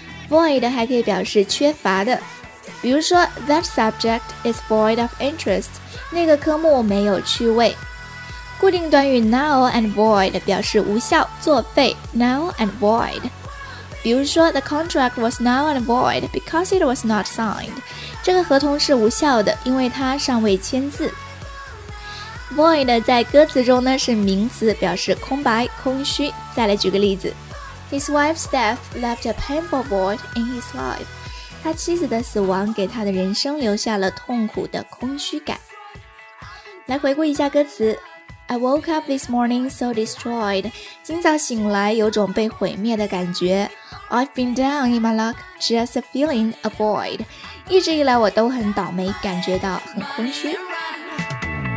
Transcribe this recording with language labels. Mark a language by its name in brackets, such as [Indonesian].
[Chinese] Void 还可以表示缺乏的。比如说 [English] That subject is void of interest, [Chinese] 那个科目没有趣味。固定短语 null and void 表示无效、作废。 [English] Null and void. [Chinese] 比如说 [English] The contract was null and void because it was not signed. [Chinese] 这个合同是无效的，因为它尚未签字。 Void 在歌词中呢是名词，表示空白、空虚。再来举个例子。 [English] His wife's death left a painful void in his life. [Chinese] 他妻子的死亡给他的人生留下了痛苦的空虚感。来回顾一下歌词。 [English] I woke up this morning so destroyed. [Chinese] 今早醒来有种被毁灭的感觉。 [English] I've been down in my luck, just feeling a void. [Chinese] 一直以来我都很倒霉，感觉到很空虚。